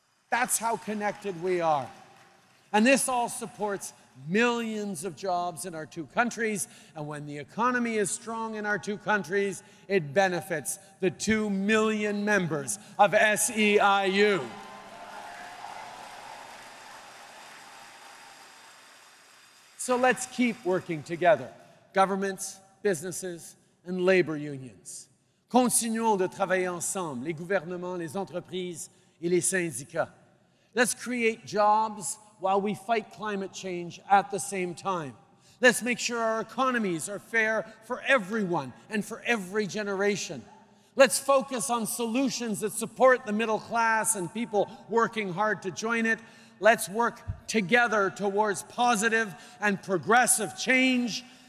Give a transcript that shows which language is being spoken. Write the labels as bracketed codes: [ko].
[en] That's how connected we are. And this all supports millions of jobs in our two countries, and when the economy is strong in our two countries, it benefits the 2 million members of SEIU. So let's keep working together, governments, businesses, and labor unions. [fr] Continuons de travailler ensemble, les gouvernements, les entreprises et les syndicats. [en] Let's create jobs while we fight climate change at the same time. Let's make sure our economies are fair for everyone and for every generation. Let's focus on solutions that support the middle class and people working hard to join it. Let's work together towards positive and progressive change.